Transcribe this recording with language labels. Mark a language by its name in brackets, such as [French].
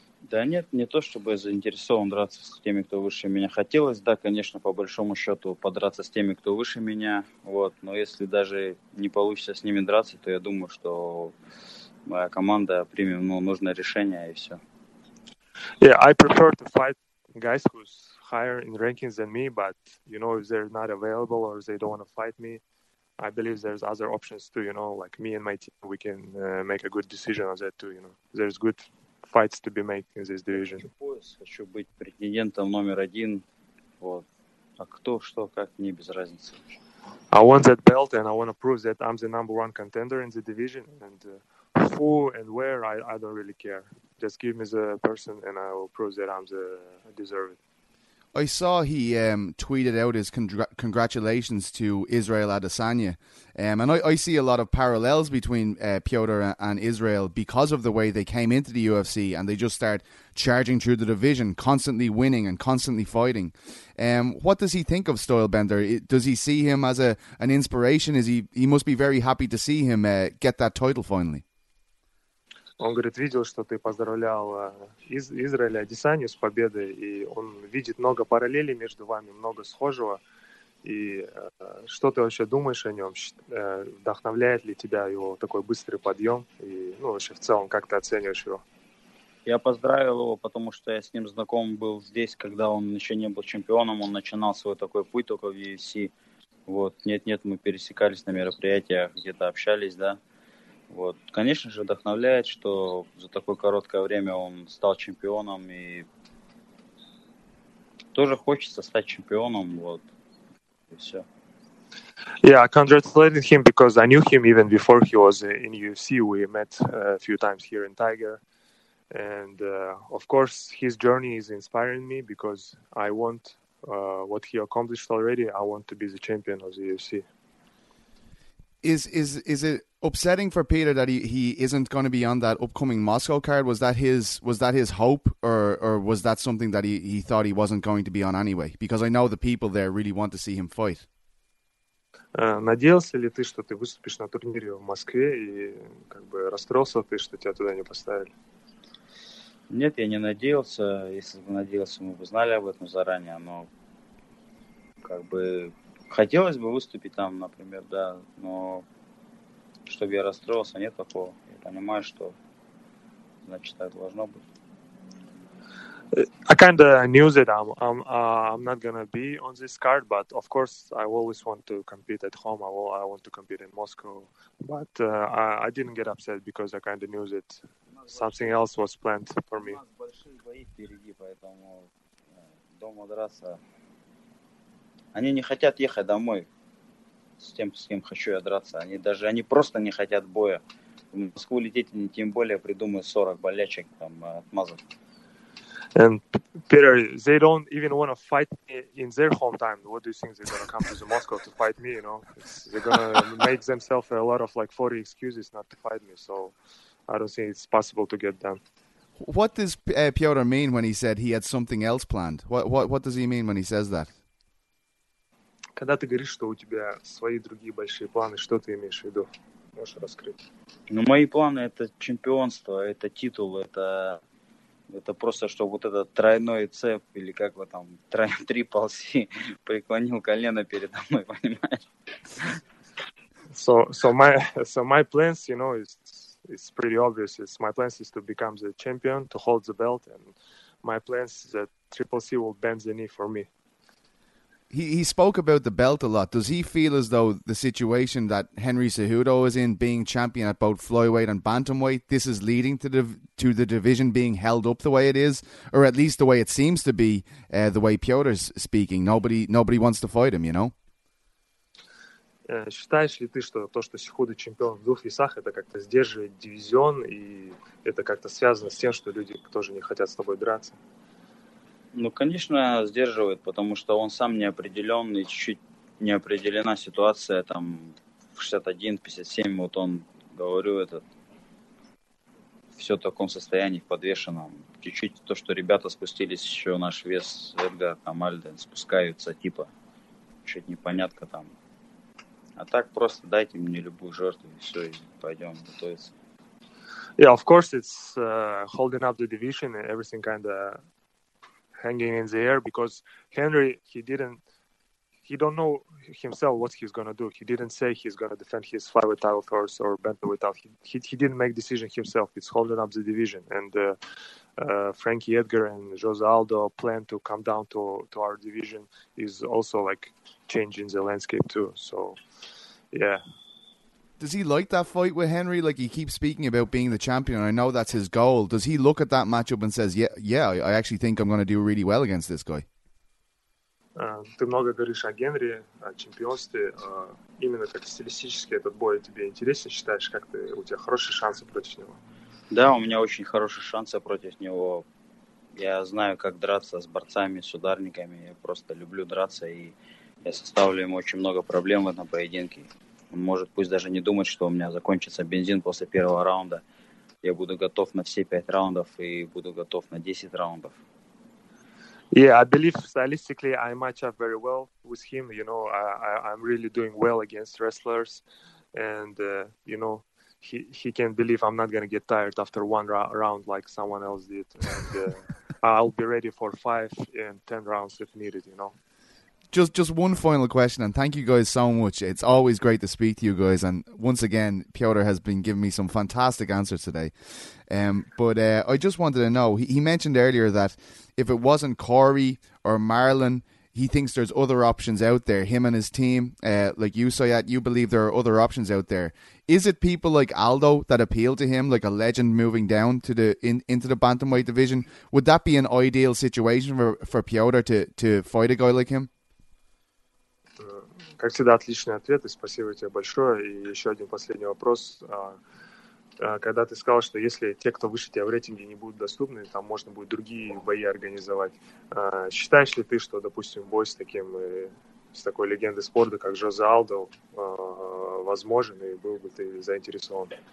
[Russian] Да нет, не то чтобы я заинтересован драться с теми, кто выше меня. Хотелось, да, конечно, по большому счету подраться с теми, кто выше меня. Вот. Но если даже не получится с ними драться, то я думаю, что моя команда примет нужное решение и все. [English] Yeah, I prefer to fight guys who's higher in rankings than me, but you know, if they're not available or they don't want to fight me, I believe there's other options too, you know, like me and my team, we can make a good decision on that too, you know. There's good fights to be made in this division. [Russian] Хочу быть претендентом номер один, вот. А кто, что, как, мне без разницы. [English] I want that belt and I want to prove that I'm the number one contender in the division, and who and where, I don't really care. Just give me the person and I will prove that I'm the deserving. I saw he tweeted out his congratulations to Israel Adesanya. And I see a lot of parallels between Piotr and Israel because of the way they came into the UFC and they just start charging through the division, constantly winning and constantly fighting. What does he think of Stylebender? Does he see him as an inspiration? He must be very happy to see him get that title finally. [Russian] Он говорит, видел, что ты поздравлял Израиля Адесанью с победой, и он видит много параллелей между вами, много схожего. И что ты вообще думаешь о нем? Вдохновляет ли тебя его такой быстрый подъем? И ну, вообще в целом, как ты оцениваешь его? Я поздравил его, потому что я с ним знаком был здесь, когда он еще не был чемпионом, он начинал свой такой путь только в UFC. Вот, нет-нет, мы пересекались на мероприятиях, где-то общались, да. Вот, конечно же, вдохновляет, что за такое короткое время он стал чемпионом, и тоже хочется стать чемпионом, вот, и все. [English] Yeah, I congratulated him because I knew him even before he was in UFC. We met a few times here in Tiger, and of course his journey is inspiring me because I want what he accomplished already. I want to be the champion of the UFC. Is it upsetting for Peter that he isn't going to be on that upcoming Moscow card? Was that his hope, or was that something that he thought he wasn't going to be on anyway? Because I know the people there really want to see him fight. [Russian] Надеялся ли ты, что ты выступишь на турнире в Москве, и как бы расстроился ты, что тебя туда не поставили? Нет, я не надеялся. Если бы надеялся, мы бы знали об этом заранее. Но как бы хотелось бы выступить там, например, да, но чтобы я расстроился, нет такого. Я понимаю, что, значит, так должно быть. [English] I kind of knew that I'm not gonna be on this card, but of course I always want to compete at home. I want to compete in Moscow, but I didn't get upset because I kind of knew that something else was planned for me. [Russian] У нас большие бои впереди, поэтому дома драться. Они не хотят ехать домой с тем, с кем хочу я драться. Они просто не хотят боя. В Москву лететь не тем более придумают 40 болячек там отмазать. [English] And Peter, they don't even want to fight me in their home time. What do you think they're gonna come to the Moscow to fight me? You know, they're gonna make themselves a lot of like 40 excuses not to fight me. So I don't think it's possible to get done. What does Piotr mean when he said he had something else planned? What does he mean when he says that? [Russian] Когда ты говоришь, что у тебя свои другие большие планы, что ты имеешь в виду? Можешь раскрыть? Ну, мои планы – это чемпионство, это титул, это просто, чтобы вот этот тройной цеп, или как бы там, трипл си, преклонил колено передо мной, понимаешь? [English] So my plans, you know, it's pretty obvious. My plans is to become the champion, to hold the belt, and my plans is that triple C will bend the knee for me. He spoke about the belt a lot. Does he feel as though the situation that Henry Cejudo is in, being champion at both flyweight and bantamweight, this is leading to the division being held up the way it is, or at least the way it seems to be, the way Piotr's speaking? Nobody wants to fight him, you know? [Russian] Считаешь ли ты, что то, что Сехудо чемпион в двух весах, это как-то сдерживает дивизион, и это как-то связано с тем, что люди тоже не хотят с тобой драться? Ну, конечно, сдерживает, потому что он сам неопределенный, чуть-чуть неопределена ситуация, там, 61-57, вот он, говорю, этот, все в таком состоянии, в подвешенном. Чуть-чуть то, что ребята спустились, еще наш вес, Эдгар, там, Альден, спускаются, типа, чуть непонятно там. А так просто дайте мне любую жертву, и все, и пойдем готовиться. [English] Yeah, of course, it's holding up the division and everything kind of hanging in the air, because Henry, he don't know himself what he's going to do. He didn't say he's going to defend his flyweight title first or bantamweight title. He didn't make decision himself. It's holding up the division. And Frankie Edgar and Jose Aldo plan to come down to our division is also like changing the landscape too. So, yeah. Does he like that fight with Henry? Like, he keeps speaking about being the champion, and I know that's his goal. Does he look at that matchup and says, yeah, I actually think I'm going to do really well against this guy? [Russian] Ты много говоришь о Генри, о чемпионстве. Именно как стилистически этот бой тебе интересен, считаешь, как ты, у тебя хорошие шансы против него? Да, у меня очень хорошие шансы против него. Я знаю, как драться с борцами, с ударниками. Я просто люблю драться, и я составлю ему очень много проблем в этом поединке. Он может пусть даже не думать, что у меня закончится бензин после первого раунда. Я буду готов на все 5 раундов и буду готов на 10 раундов. [English] Yeah, I believe stylistically I match up very well with him. You know, I'm really doing well against wrestlers, and you know, he can believe I'm not gonna get tired after one round like someone else did. And I'll be ready for 5 and 10 rounds if needed. You know. Just one final question, and thank you guys so much. It's always great to speak to you guys, and once again, Piotr has been giving me some fantastic answers today. But I just wanted to know, he mentioned earlier that if it wasn't Corey or Marlon, he thinks there's other options out there, him and his team, like you, Soyat, you believe there are other options out there. Is it people like Aldo that appeal to him, like a legend moving down to the into the bantamweight division? Would that be an ideal situation for Piotr to fight a guy like him? [Russian] Как всегда, отличный ответ, и спасибо тебе большое. И еще один последний вопрос. Когда ты сказал, что если те, кто выше тебя в рейтинге, не будут доступны, там можно будет другие бои организовать, считаешь ли ты, что, допустим, бой с таким, с такой легендой спорта, как Жозе Алдо, возможен, и был бы ты заинтересован?